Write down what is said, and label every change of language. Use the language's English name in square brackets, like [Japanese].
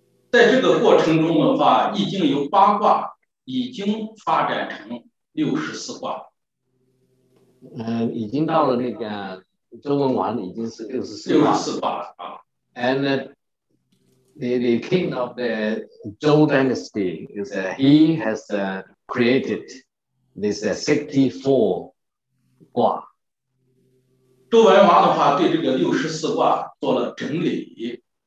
[Chinese] 在这个过程中的话, 易经由八卦, 已经发展成64卦。已经到了那个, 周文王已经是64卦。 [English] And the king of the Zhou dynasty is that he has created this 64卦。 [Chinese] 周文王的话, 对这个64卦 做了整理。